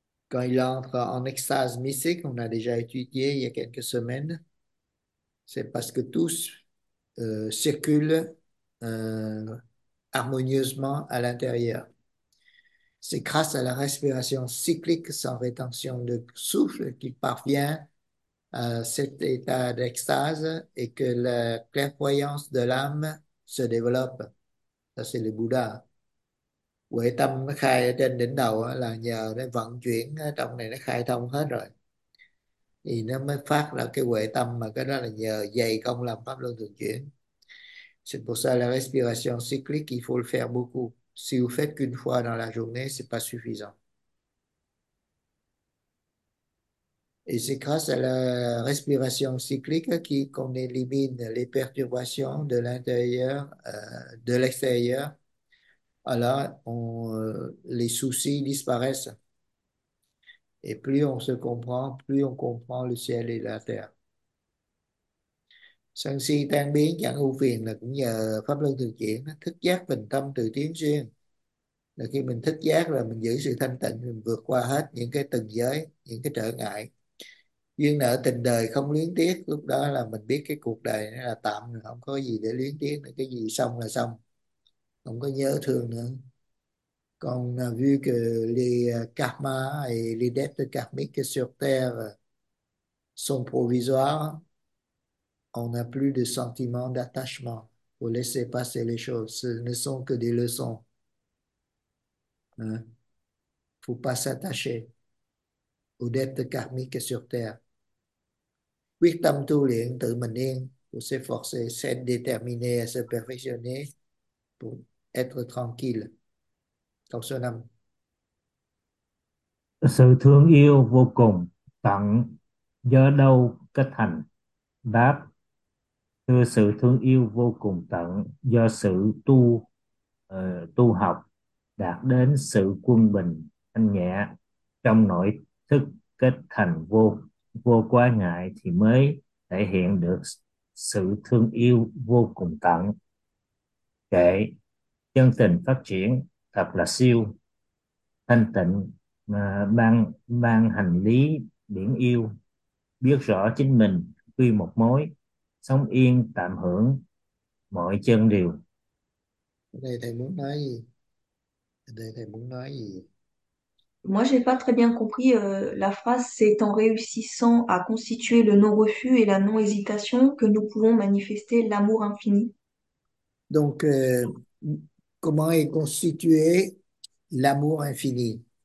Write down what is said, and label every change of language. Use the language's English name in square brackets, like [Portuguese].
[French] Quand il entre en extase mystique, on a déjà étudié il y a quelques semaines, c'est parce que tous circulent harmonieusement à l'intérieur. C'est grâce à la respiration cyclique sans rétention de souffle qu'il parvient à cet état d'extase et que la clairvoyance de l'âme se développe. Ça, c'est le Bouddha. [Vietnamese] Huệ tâm nó khai ở trên đỉnh đầu là nhờ nó vận chuyển trong này, nó khai thông hết rồi thì nó mới phát ra cái huệ tâm, mà cái đó là nhờ dày công làm pháp luân thường chuyển. [French] C'est pour ça la respiration cyclique, il faut le faire beaucoup. Si vous faites qu'une fois dans la journée, c'est pas suffisant. Et c'est grâce à la respiration cyclique qu'on élimine les perturbations de l'intérieur, de l'extérieur. Alors, les soucis disparaissent. Et plus on se comprend, plus on comprend le ciel et la terre. [Vietnamese] Sân si tan biến chẳng ưu phiền là cũng nhờ pháp luân thường chuyển. Thức giác bình tâm tự tiến xuyên. Là khi mình thức giác là mình giữ sự thanh tịnh, mình vượt qua hết những cái tầng giới, những cái trở ngại. Duyên nợ tình đời không luyến tiếc. Lúc đó là mình biết cái cuộc đời nó là tạm, không có gì để luyến tiếc nữa. Cái gì xong là xong, không có nhớ thương nữa. Còn [French] vu que les karma et les dettes karmiques sur terre sont provisoires, on n'a plus de sentiment d'attachement pour laisser passer les choses. Ce ne sont que des leçons. Hein? Faut pas s'attacher aux dettes karmiques sur terre. [Vietnamese] Quyết tâm tu luyện tự mình yên, [French] pour s'efforcer, s'être déterminé à se perfectionner pour être tranquille. [Vietnamese] Câu số 5. Sự thương yêu vô cùng tận do đâu kết thành? Đáp: thưa, sự thương yêu vô cùng tận do sự tu tu học đạt đến sự quân bình thanh nhẹ trong nội thức kết thành vô vô quá ngại thì mới thể hiện được sự thương yêu vô cùng tận. Kệ chân tình phát triển thật là siêu thanh tịnh, ban ban hành lý biển yêu, biết rõ chính mình quy một mối, sống yên tạm hưởng mọi chân điều. Đây thầy muốn nói gì? Đây thầy muốn nói gì? [French] Moi, j'ai pas très bien compris la phrase, c'est en réussissant à constituer le non-refus et la non-hésitation que nous pouvons manifester l'amour infini. Donc, comment est constitué l'amour infini?